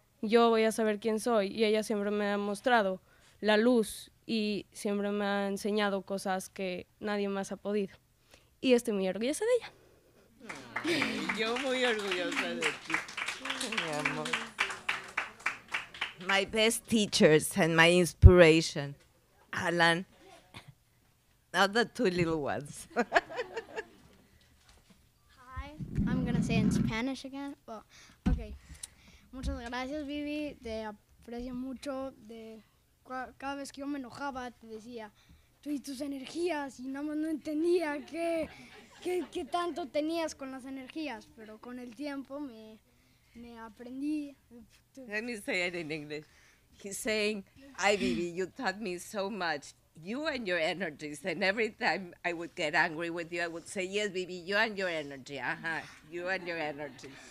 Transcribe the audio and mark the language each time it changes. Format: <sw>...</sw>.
<es>Yo voy a saber quién soy y ella siempre me ha mostrado la luz y siempre me ha enseñado cosas que nadie más ha podido. Y estoy muy orgullosa de ella. Ay, yo muy orgullosa de ti, mi amor.</es> <en>My best teachers and my inspiration, Alan, not the two little ones. Hi, I'm going to say in Spanish again. Well, okay.</en> <es>Muchas gracias, Vivi. Te aprecio mucho. Cada vez que yo me enojaba, te decía, tú y tus energías, y nada más no entendía qué tanto tenías con las energías, pero con el tiempo me aprendí.</es> <en>Let me say it in English. He's saying, "Ay, Vivi, you taught me so much, you and your energies." And every time I would get angry with you, I would say, "Yes, Vivi, you and your energy, you and your energy."</en>